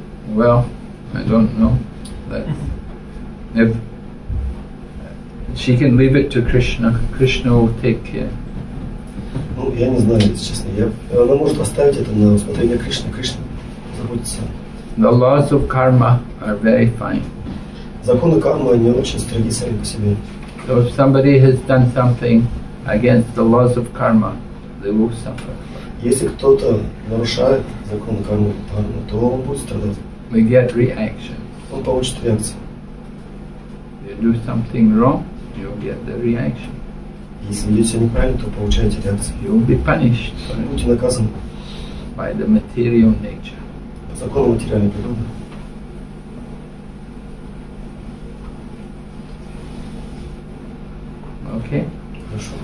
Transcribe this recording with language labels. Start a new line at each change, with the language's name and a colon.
English: Well, I don't know. But if she can leave it to Krishna, Krishna will take care.
Russian: Ну, я не знаю, если честно. Она может оставить это на усмотрение Кришны. Кришна, заботится.
English: The laws of karma are very fine.
Russian: Законы кармы, они очень строги сами по себе.
English: So if somebody has done something against the laws of karma, they will suffer.
Russian: Если кто-то нарушает закон кармы, то он будет страдать.
English: We get reaction.
Russian: Он получит реакцию.
English: You do something wrong, you'll get the reaction.
Russian: Если ведете неправильно, то получаете реакцию.
English: You'll be punished.
Russian: Будете наказаны.
English: By the material nature.
Russian: По закону материальной природы.
English: Okay.
Russian: Хорошо.